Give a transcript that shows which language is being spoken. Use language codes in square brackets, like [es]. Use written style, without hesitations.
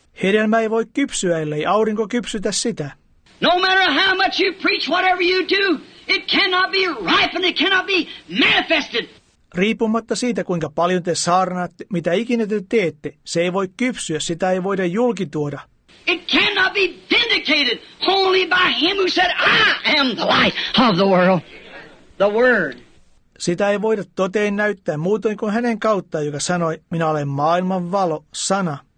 [fi] Hedelmä ei voi kypsyä, ellei aurinko kypsytä sitä. [en] No matter how much you preach, whatever you do, it cannot be ripened, it cannot be manifested. [fi] Riippumatta siitä, kuinka paljon te saarnaatte, mitä ikinä te teette, se ei voi kypsyä, sitä ei voida julkituoda. [en] It cannot be vindicated only by him who said, I am the light of the world, the word. [fi] Sitä ei voida toteen näyttää muutoin kuin hänen kauttaan, joka sanoi, minä olen maailman valo, sana.